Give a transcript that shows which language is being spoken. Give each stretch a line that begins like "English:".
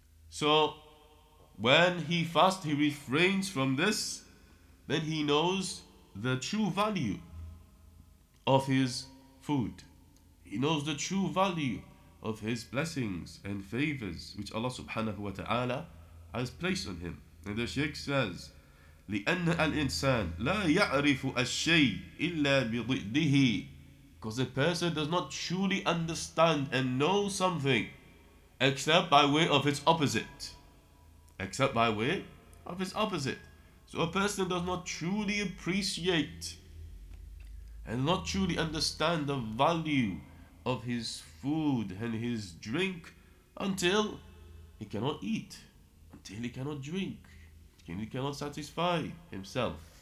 English: So when he fasts, he refrains from this, then he knows the true value of his food. He knows the true value of his blessings and favors which Allah subhanahu wa ta'ala has placed on him. And the Sheikh says,
Arabic: لأن الإنسان لا يعرف الشيء إلا بضده
English: Because a person does not truly understand and know something except by way of its opposite. Except by way of its opposite. So a person does not truly appreciate and not truly understand the value of his food and his drink until he cannot eat, until he cannot drink, until he cannot satisfy himself.